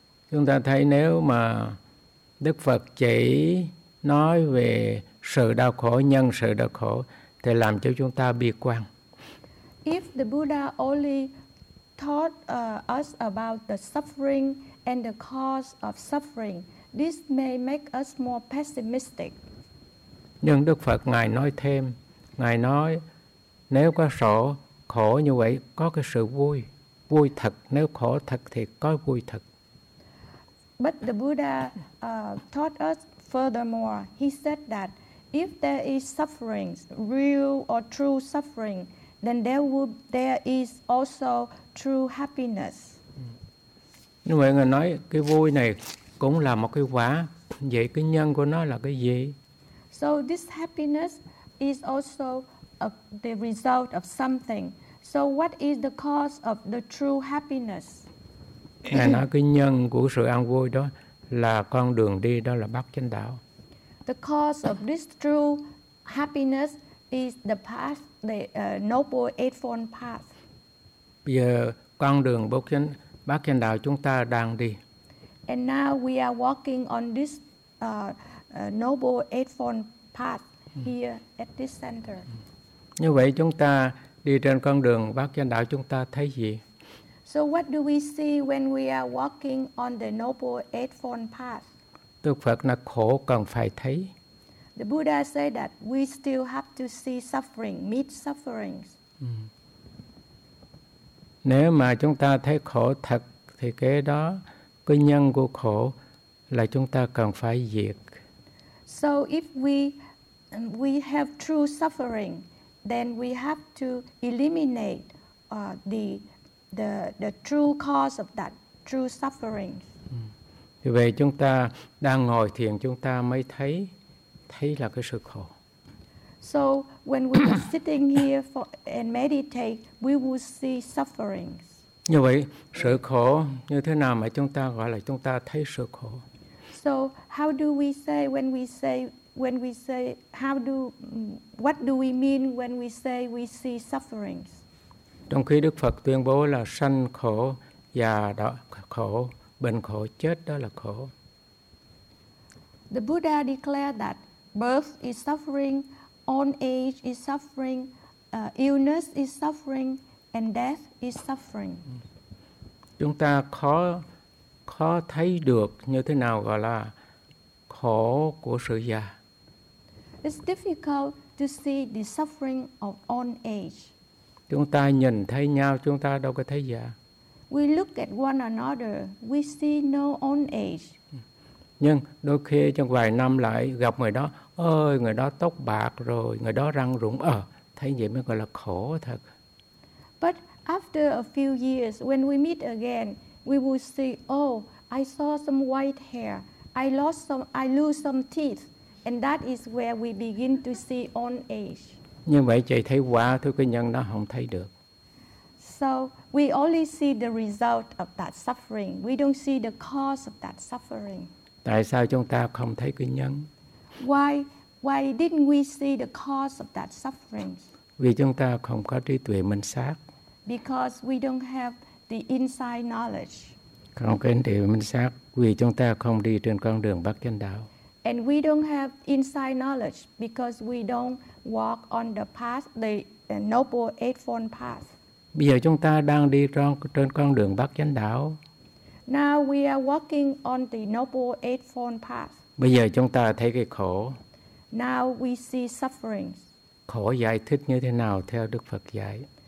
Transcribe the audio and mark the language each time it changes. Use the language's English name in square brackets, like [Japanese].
[Vietnamese] Chúng ta thấy nếu mà Đức Phật chỉ nói về sự đau khổ, nhân sự đau khổ, thì làm cho chúng ta bi quan. [English] If the Buddha only taught us about the suffering and the cause of suffering, this may make us more pessimistic. [Vietnamese] Nhưng Đức Phật ngài nói thêm, ngài nói nếu có sổ khổ như vậy có cái sự vui, vui thật, nếu khổ thật thì có vui thật. [English] But the Buddha taught us furthermore. He said that if there is suffering, real or true suffering, then there is also true happiness. [Vietnamese] Nhưng mà người nói cái vui này cũng là một cái quả, vậy cái nhân của nó là cái gì? [English] So this happiness is also the result of something. So what is the cause of the true happiness? [Vietnamese] Người nói cái nhân của sự an vui đó là con đường đi, đó là bát chánh đạo. [English] The cause of this true happiness is the path, the Noble Eightfold Path. [Vietnamese] Bây giờ con đường bát chánh đạo chúng ta đang đi. [English] And now we are walking on this Noble Eightfold Path here at this center. [Vietnamese] Như vậy chúng ta đi trên con đường bát chánh đạo chúng ta thấy gì? [English] So what do we see when we are walking on the Noble Eightfold Path? [Vietnamese] Đức Phật nói khổ cần phải thấy. [English] The Buddha said that we still have to see suffering, meet sufferings. [Vietnamese] Nếu mà chúng ta thấy khổ thật, thì kế đó, cái nhân của khổ là chúng ta cần phải diệt. [English] So if we have true suffering, then we have to eliminate the true cause of that true suffering. [Vietnamese] Vì vậy chúng ta đang ngồi thiền chúng ta mới thấy. Thấy là cái sự khổ. [English] So when we are sitting here and meditate, we will see sufferings. [Vietnamese] Như vậy, sự khổ như thế nào mà chúng ta gọi là chúng ta thấy sự khổ? [English] So how do we say when we say how do what do we mean when we say we see sufferings? [Vietnamese] Trong khi Đức Phật tuyên bố là sanh khổ, già đó khổ, bệnh khổ, chết đó là khổ. [English] The Buddha declared that birth is suffering, old age is suffering, illness is suffering, and death is suffering. [Vietnamese] Chúng ta khó thấy được như thế nào gọi là khổ của sự già. [English] It's difficult to see the suffering of old age. [Vietnamese] Chúng ta nhìn thấy nhau, chúng ta đâu có thấy già. [English] We look at one another, we see no old age. [Vietnamese] Nhưng đôi khi trong vài năm lại gặp người đó, ơi người đó tóc bạc rồi, người đó răng rụng, thấy vậy mới gọi là khổ thật. [English] But after a few years, when we meet again, we will see, oh, I saw some white hair, I lose some teeth, and that is where we begin to see old age. [Vietnamese] Như vậy chị thấy quá, thôi cái nhân đó không thấy được. [English] So we only see the result of that suffering. We don't see the cause of that suffering. [Vietnamese] Tại sao chúng ta không thấy cái nhân? [English] Why didn't we see the cause of that suffering? [Vietnamese] Vì chúng ta không có trí tuệ minh sát. [English] Because we don't have the inside knowledge. [Vietnamese] Không có trí tuệ minh sát vì chúng ta không đi trên con đường Bát Chánh Đạo. [English] And we don't have inside knowledge because we don't walk on the path, the Noble Eightfold Path. [Vietnamese] Bây giờ chúng ta đang đi trên con đường Bát Chánh Đạo. [English] Now we are walking on the Noble Eightfold Path. [Vietnamese] Bây giờ chúng ta thấy cái khổ. [English] Now we see sufferings. [Vietnamese] Khổ giải thích như thế nào theo Đức Phật dạy?